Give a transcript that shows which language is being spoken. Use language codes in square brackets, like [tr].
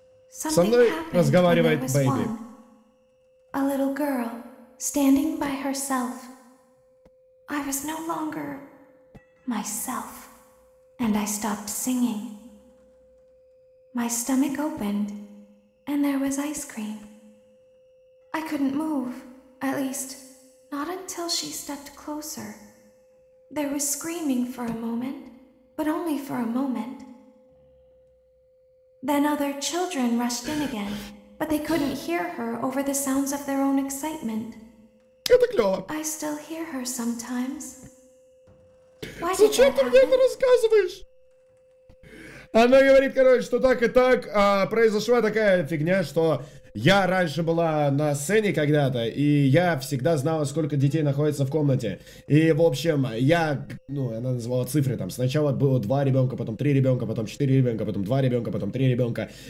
[ru] Со мной разговаривает бэйби. [en] A little girl, standing by herself. I was no longer myself, and I stopped singing. My stomach opened, and there was ice cream. I couldn't move, at least, not until she stepped closer. There was screaming for a moment, but only for a moment. Then other children rushed in again, but they couldn't hear her over the sounds of their own excitement. [ru] Это клёво. [en] I still hear her sometimes. Why [ru] Зачем [en] did that [ru] ты мне это рассказываешь? Она говорит, короче, что так и так, а произошла такая фигня, что я раньше была на сцене когда-то, и я всегда знала, сколько детей находится в комнате. И, в общем, я, ну, она называла цифры там. Сначала было 2 ребенка, потом 3 ребенка, потом 4 ребенка, потом 2 ребенка, потом 3 ребенка.